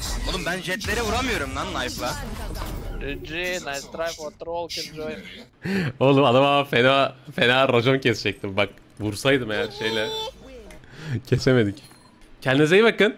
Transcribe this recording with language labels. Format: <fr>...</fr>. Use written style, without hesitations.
<tr>Oğlum ben jetlere vuramıyorum lan knife'la.</tr> <en>GG, nice try for troll killjoy.</en> <tr>Oğlum adama fena rojon kesecektim bak. Vursaydım eğer şeyle. Kesemedik. Kendinize iyi bakın.</tr>